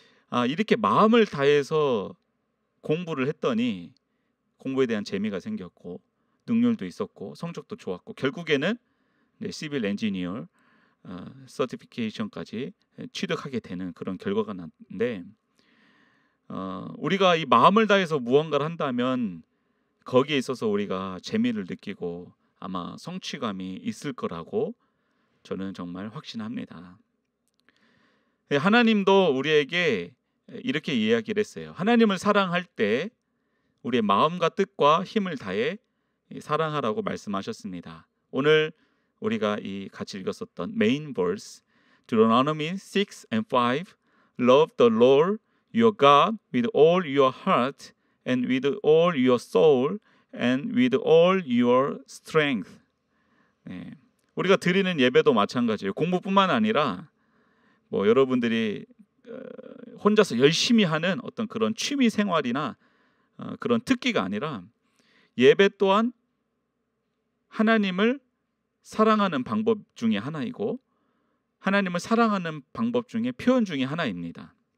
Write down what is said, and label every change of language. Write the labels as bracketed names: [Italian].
[Korean] 아, 이렇게 마음을 다해서 공부를 했더니 공부에 대한 재미가 생겼고 능률도 있었고 성적도 좋았고 결국에는 네, 시빌 엔지니어 서티피케이션까지 취득하게 되는 그런 결과가 났는데 우리가 이 마음을 다해서 무언가를 한다면 거기에 있어서 우리가 재미를 느끼고 아마 성취감이 있을 거라고 저는 정말 확신합니다. 하나님도 우리에게 이렇게 이야기를 했어요. 하나님을 사랑할 때 우리의 마음과 뜻과 힘을 다해 사랑하라고 말씀하셨습니다. 오늘 우리가 이 같이 읽었었던 메인 [English] verse Deuteronomy 6 and 5 Love the Lord your God with all your heart and with all your soul and with all your strength. [Korean] 네. 우리가 드리는 예배도 마찬가지예요. 공부뿐만 아니라 뭐 여러분들이 혼자서 열심히 하는 어떤 그런 취미 생활이나 그런 특기가 아니라 예배 또한 하나님을 사랑하는 방법 중에 하나이고 하나님을 사랑하는 방법 중에 표현 중에 하나입니다.